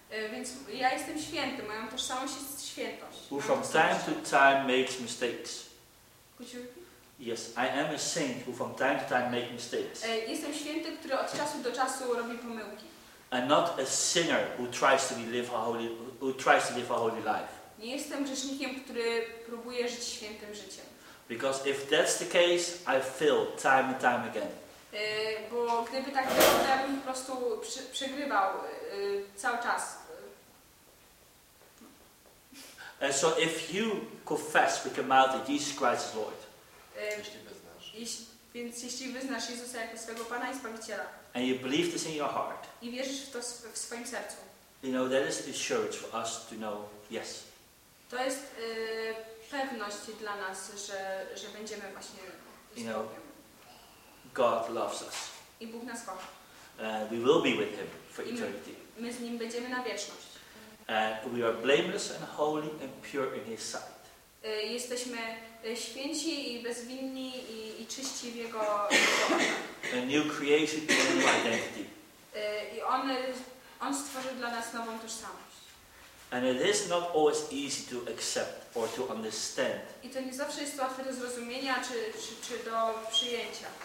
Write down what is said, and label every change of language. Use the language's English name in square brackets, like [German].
[Polish] Więc ja jestem święty, moja tożsamość jest świętość. [English] Who from time to time makes mistakes. Yes, I am a saint who from time to time makes mistakes. [Polish] Jestem święty, który od czasu do czasu robi pomyłki. [English] I'm not a sinner who tries to live a holy life. [Polish] Nie jestem grzesznikiem, który próbuje żyć świętym życiem. [English] Because if that's the case, I fail time and time again. [Polish] Bo gdyby tak było, to ja bym po prostu przegrywał cały czas. [English] And so if you confess with your mouth that Jesus Christ is Lord. [Polish] Jeśli wyznasz Jezusa jako swojego Pana i Zbawiciela. [English] And you believe this in your heart. [Polish] I wierzysz w to w swoim sercu. [English] You know, that is the assurance for us to know, yes. [Polish] To jest pewność dla nas, że będziemy właśnie z Bogiem. [English] God loves us. [Polish] I Bóg nas kocha. [English] We will be with Him for eternity. [Polish] My z Nim będziemy na wieczność. [English] We are blameless and holy and pure in His sight. [Polish] Jesteśmy święci i bezwinni i czyści w Jego oczach. [English] A new creation, a new identity. [Polish] I on stworzy dla nas nową tożsamość. [English] And it is not always easy to accept or to understand. [Polish] I to nie zawsze jest łatwe do zrozumienia czy do przyjęcia.